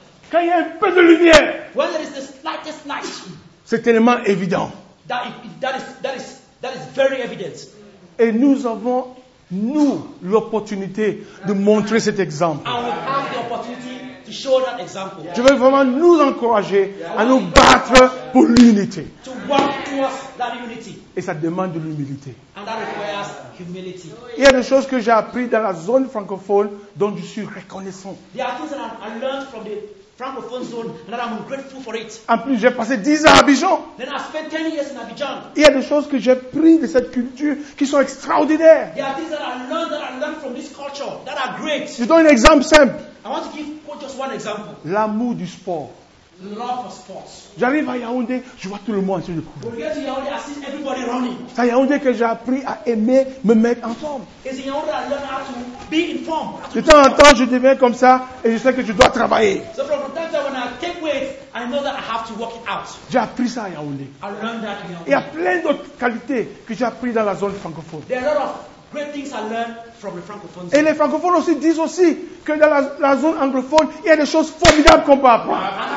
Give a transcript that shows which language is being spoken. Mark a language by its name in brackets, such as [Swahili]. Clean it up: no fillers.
[French] Quand il y a un peu de lumière. [English] Where there is the slightest light. [French] C'est tellement évident. [English] That is very evident. [French] Et nous avons nous l'opportunité de montrer cet exemple. [English] And we have the opportunity to show that example. [French] Je veux vraiment nous encourager à nous battre pour l'unité. [English] To work towards that unity. [French] Et ça demande de l'humilité. [English] And that requires humility. [French] Il y a des choses que j'ai appris dans la zone francophone dont je suis reconnaissant. [English] There are things that I learned from the francophone zone and that I'm grateful for it. [French] En plus, j'ai passé 10 ans à Abidjan. [English] Then I spent 10 years in Abidjan. [French] Il y a des choses que j'ai pris de cette culture qui sont extraordinaires. [English] There are things that I learned from this culture that are great. [French] Je donne un exemple simple. [English] I want to give just one example. [French] L'amour du sport. [English] Love of sports. [French] J'arrive à Yaoundé, je vois tout le monde en train de courir. [English] When we get to Yaoundé, I see everybody running. [French] C'est à Yaoundé que j'ai appris à aimer me mettre en forme. [English] It's in Yaoundé that I learned how to be in form. [French] De temps en temps, je deviens comme ça et je sais que je dois travailler. [English] So from time to time, when I take weight, I know that I have to work it out. [French] J'ai appris ça à Yaoundé. [English] I learned that in Yaoundé. [French] Il y a plein d'autres qualités que j'ai appris dans la zone francophone. [English] There are a lot of great things I learned from the francophones. [French] Et les francophones aussi disent aussi que dans la zone anglophone, il y a des choses formidables qu'on peut apprendre.